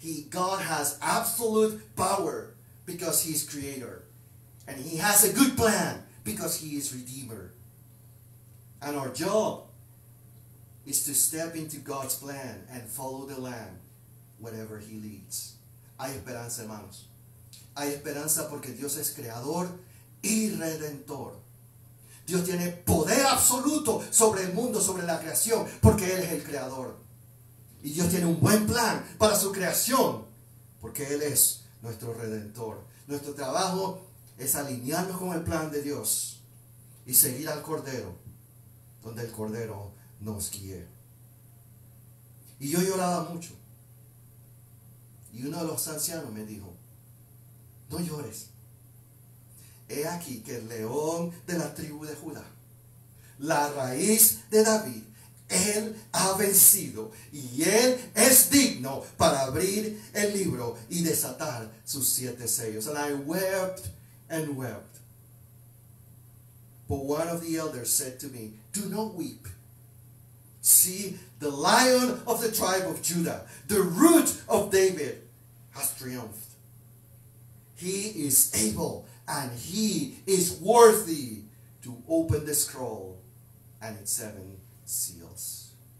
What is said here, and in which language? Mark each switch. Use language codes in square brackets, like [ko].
[en] God has absolute power because he is creator, and he has a good plan because he is redeemer. And our job is to step into God's plan and follow the Lamb wherever he leads. [es] Hay esperanza, hermanos. Hay esperanza porque Dios es creador y redentor. Dios tiene poder absoluto sobre el mundo, sobre la creación, porque él es el creador. Y Dios tiene un buen plan para su creación, porque él es nuestro redentor. Nuestro trabajo es alinearnos con el plan de Dios y seguir al Cordero, donde el Cordero nos guíe. Y yo lloraba mucho. Y uno de los ancianos me dijo: no llores. He aquí que el león de la tribu de Judá, la raíz de David, él ha vencido y él es digno para abrir el libro y desatar sus siete sellos. [en] And I wept and wept. But one of the elders said to me, do not weep. See, the lion of the tribe of Judah, the root of David, has triumphed. He is able and he is worthy to open the scroll and its seven seals.